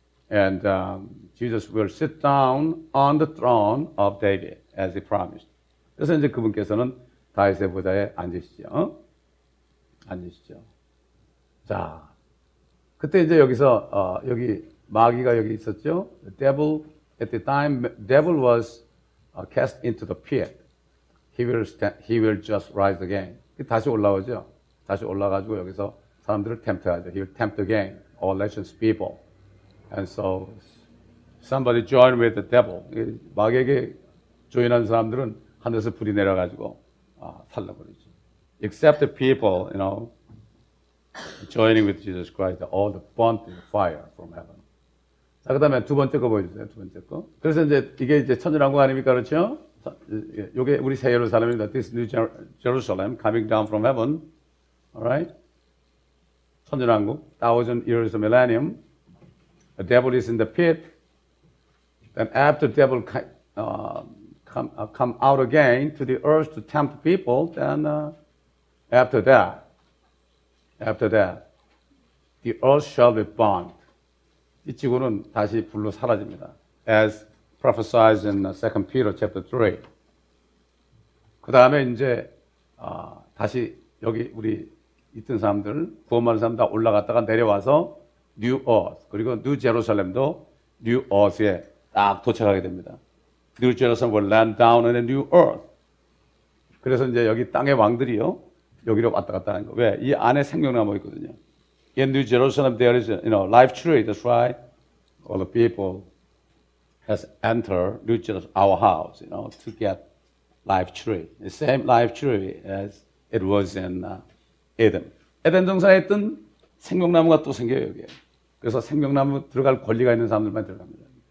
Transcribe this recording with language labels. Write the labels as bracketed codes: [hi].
[en] And Jesus will sit down on the throne of David, as he promised. [ko] 그래서 이제 그분께서는 다윗의 보좌에 앉으시죠. 어? 앉으시죠. 자, 그때 이제 여기서, 여기 마귀가 여기 있었죠. [en] The devil, at the time, devil was cast into the pit. He will just rise again. [ko] 다시 올라오죠. 다시 올라가지고 여기서 사람들을 tempt하죠. [en] He will tempt again all nations people. And so somebody join with the devil. [ko] 마귀에게 조인한 사람들은 하늘에서 불이 내려가지고 살라버리죠. [en] Except the people, you know, joining with Jesus Christ, all the burnt in fire from heaven. [ko] 자, 그 다음에 두 번째 거 보여주세요. 두 번째 거. 그래서 이제 이게 이제 천연왕국 아닙니까? 그렇죠? 이게 우리 새 예루살렘입니다. [en] This new Jerusalem coming down from heaven. Alright? 천연왕국, 1,000 years of millennium. The devil is in the pit. Then after the devil come out again to the earth to tempt people, then after that, the earth shall be burned. [ko] 이 지구는 다시 불로 사라집니다. [en] As prophesied in 2 Peter chapter 3. [ko] 그 다음에 이제 다시 여기 우리 있던 사람들, 구원받은 사람 다 올라갔다가 내려와서 New Earth, 그리고 New Jerusalem도 New Earth에 딱 도착하게 됩니다. [en] New Jerusalem will land down in a New Earth. [ko] 그래서 이제 여기 땅의 왕들이요, 여기로 왔다 갔다 하는 거. 왜? 이 안에 생명나무 있거든요. [en] In New Jerusalem there is, you know, life tree. That's why all the people has entered New Jerusalem, our house, you know, to get life tree. The same life tree as it was in Eden. [ko] 에덴 동산에 있던 생명나무가 또 생겨요, 여기에. 그래서 생명나무 들어갈 권리가 있는 사람들만 들어갑니다.